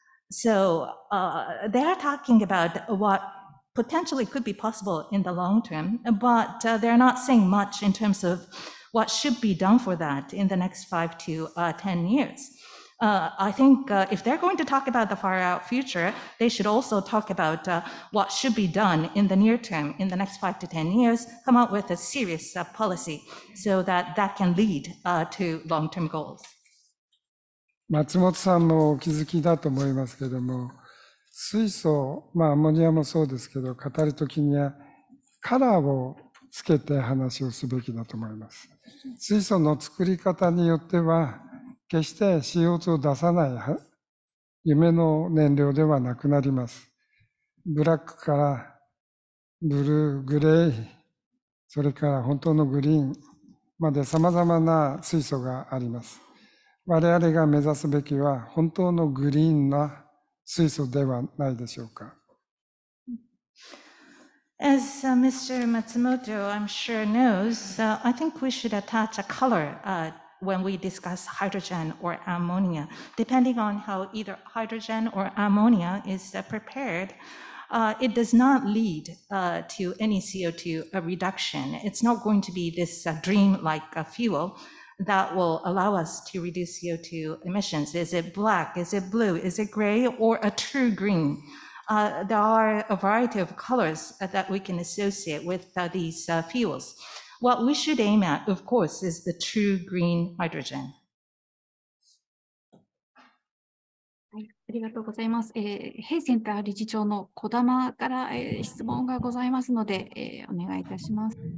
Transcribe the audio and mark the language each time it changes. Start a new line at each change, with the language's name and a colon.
English: So they're talking about what potentially could be possible in the long term, but they're not saying much in terms of what should be done for that in the next 5 to 10 years. I think if they're going to talk about the far out future, they should also talk about what should be done in the near term, in the next 5 to 10 years, come up with a serious policy so that that can lead to long-term goals.
Japanese: 松本さんもお気づきだと思いますけども、水素、まあ、アンモニアもそうですけど、語るときにはカラーをつけて話をすべきだと思います。水素の作り方によっては、決して CO2 を出さない夢の燃料ではなくなります。ブラックからブルー、グレー、それから本当のグリーンまで様々な水素があります。我々が目指すべきは本当のグリーンな水素ではないでしょうか。
English: As Mr. Matsumoto, I'm sure knows, I think we should attach a color when we discuss hydrogen or ammonia. Depending on how either hydrogen or ammonia is prepared, it does not lead to any CO2 reduction. It's not going to be this dream-like fuel that will allow us to reduce CO2 emissions. Is it black? Is it blue? Is it gray? Or a true green? There are a variety of colors that we can associate with these fuels. What we should aim at, of course, is the true green hydrogen.
Japanese: ありがとうございます。平センター理事長の小玉から質問がございますので、お願いいたします。